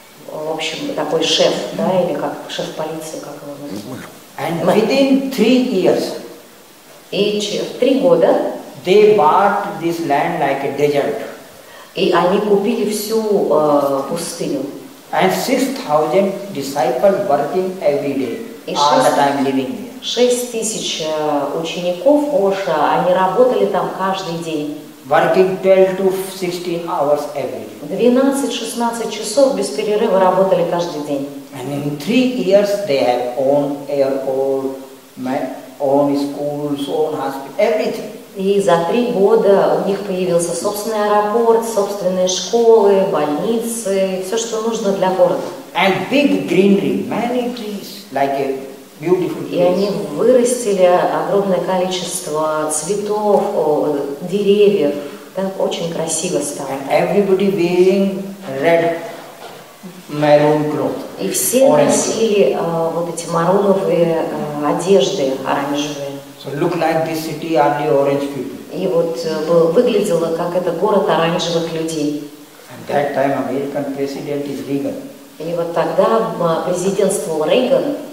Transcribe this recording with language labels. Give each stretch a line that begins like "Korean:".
Russian: В общем, такой шеф, да, или как шеф полиции, как его называют.
English: And within 3 years, they bought this land like a desert.
Russian: И они купили всю пустыню.
English: And 6,000 disciples working every day, all the time living there.
Russian: 6000 учеников Оша, они работали там каждый день.
English: Working 12 to 16 hours every day.
Russian: 12-16 часов без перерыва работали каждый день.
English: And in 3 years they have own airport, own schools, own hospital, everything.
Russian: И за 3 года у них появился собственный аэропорт, собственные школы, больницы, все, что нужно для города.
English: And big greenery, many trees, like a beautiful place.
Russian: И они вырастили огромное количество цветов, деревьев. Так очень красиво стало.
English: And everybody wearing red maroon cloth.
Russian: И все носили вот эти маруновые одежды оранжевые.
English: So look like this city are the orange people.
Russian: И вот выглядело как это город оранжевых людей.
English: And that time American president is Reagan.
Russian: И вот тогда президентствовал Рейган.